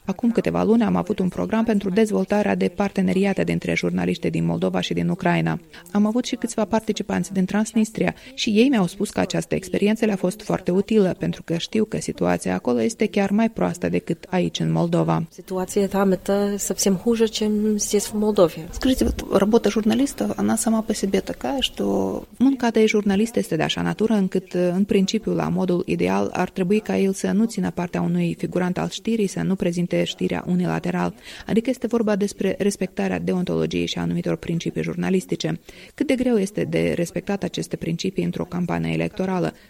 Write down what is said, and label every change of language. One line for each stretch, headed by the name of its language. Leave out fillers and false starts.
Romanian: Acum câteva luni am avut un program pentru dezvoltarea de parteneriate dintre jurnaliștii din Moldova și din Ucraina. Am avut și câțiva participanți din Transnistria și ei mi-au spus că această experiență le-a fost foarte utilă, pentru că știu că situația acolo este chiar mai proastă decât aici în Moldova.
Russian: Situația там это совсем хуже, чем здесь в Молдове. Скажите, вот работа журналиста, она сама по себе такая, что
Romanian: Munca de jurnalist este de așa natură încât în principiu la modul ideal ar trebui ca el să nu țină partea unui figurant al știrii, să nu prezinte știrea unilateral. Adică este vorba despre respectarea deontologiei și anumitor principii jurnalistice. Cât de greu este de respectat aceste principii într-o campanie electorală?